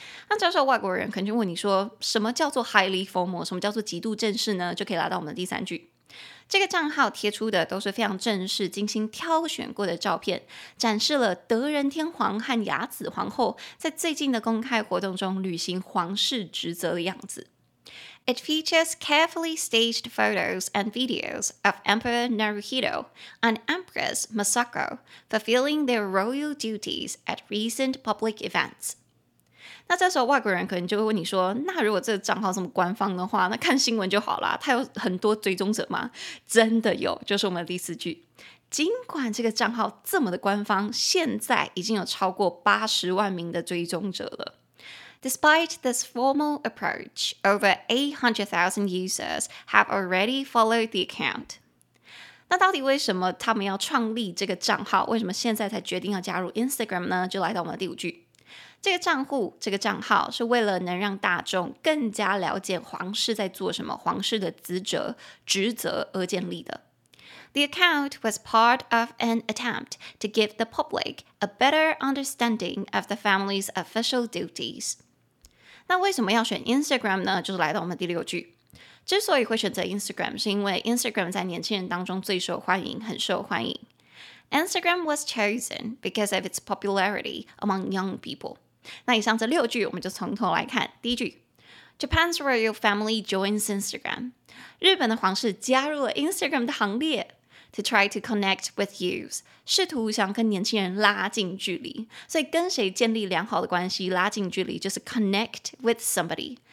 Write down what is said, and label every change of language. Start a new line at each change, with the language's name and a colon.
Chinese: 那这时候外国人可能就问你说，什么叫做
English: highly formal，
Chinese: 什么叫做极度正式呢？就可以来到我们的第三句。这个账号贴出的都是非常正式精心挑选过的照片，展示了德仁天皇和雅子皇后在最近的公开活动中履行皇室职责的样子。
English: It features carefully staged photos and videos of Emperor Naruhito and Empress Masako fulfilling their royal duties at recent public events。
Chinese: 那这时候外国人可能就会问你说，那如果这个账号这么官方的话，那看新闻就好了，他有很多追踪者吗？真的有，就是我们的第四句。尽管这个账号这么的官方，现在已经有超过80万名的追踪者了。
English: Despite this formal approach, over 800,000 users have already followed the account。
Chinese: 那到底为什么他们要创立这个账号，为什么现在才决定要加入 Instagram 呢？就来到我们的第五句。这个账号是为了能让大众更加了解皇室在做什么，皇室的职责而建立的。
English: The account was part of an attempt to give the public a better understanding of the family's official duties.
Chinese: 那为什么要选 Instagram 呢？就是来到我们第六句。之所以会选择 Instagram 是因为 Instagram 在年轻人当中最受欢迎，很受欢迎。
English: Instagram was chosen because of its popularity among young people.
Chinese: 那以上这六句我们就从头来看。第一句，
English: Japan's royal family joins Instagram.
Chinese: 日本的皇室加入了 Instagram 的行列。
English: to try to connect with youth,
Chinese: 试图想跟年轻人拉近距离。所以跟谁建立良好的关系，拉近距离就是
English: connect with somebody。